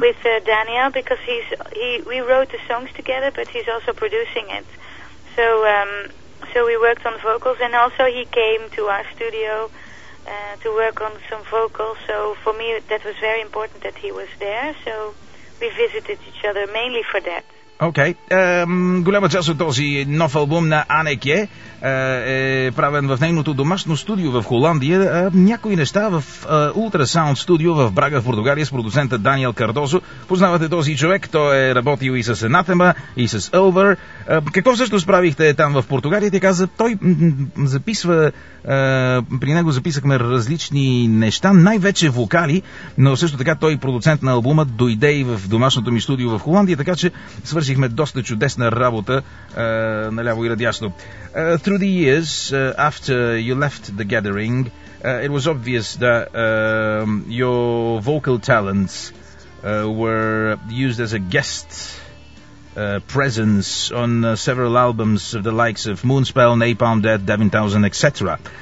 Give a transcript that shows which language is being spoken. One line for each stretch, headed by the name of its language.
English: With Daniel, because we wrote the songs together, but he's also producing it. So so we worked on vocals, and also he came to our studio to work on some vocals. So for me that was very important that he was there, so we visited each other mainly for that.
Bulgarian: Окей. Голяма част от този нов албум на Анеке е правен в нейното домашно студио в Холандия. Някои неща в Ултрасаунд студио в Брага в Португалия с продуцента Даниел Кардозо. Познавате този човек, той е работил и с Анатема, и с Елвър. Какво всъщност правихте там в Португалия? Те каза, той записва, при него записахме различни неща, най-вече вокали, но също така той, продуцент на албума, дойде и в домашното ми студио в Холандия, така че свършихме доста чудесна работа наляво и надясно.
English: Through the years, after you left the gathering, it was obvious that your vocal talents were used as a guest presence on several albums of the likes of Moonspell, Napalm Death, Devin Townsend, etc.